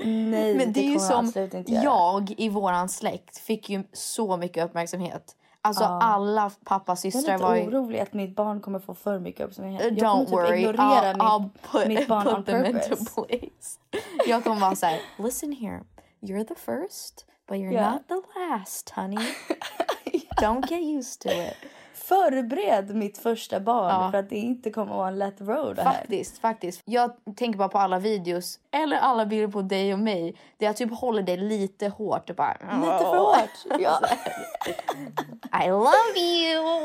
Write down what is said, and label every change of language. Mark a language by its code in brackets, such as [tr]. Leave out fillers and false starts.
[sv] Nej, men det är ju som jag i våran släkt fick ju så mycket uppmärksamhet. Alltså alla pappas systrar var ju... Jag är lite orolig att mitt barn kommer få för mycket uppmärksamhet. [en] Don't worry. [sv] Jag kommer typ ignorera mitt barn [en] on purpose. Into place. [sv] Jag kommer bara säga, [en] listen here. You're the first, but you're not the last, honey. Don't get used to it. [sv] Förbered mitt första barn för att det inte kommer att vara en lätt road här. Faktiskt. Jag tänker bara på alla videos. Eller alla bilder på dig och mig. Där jag typ håller dig lite hårt. Och bara, lite för hårt. [en] I love you.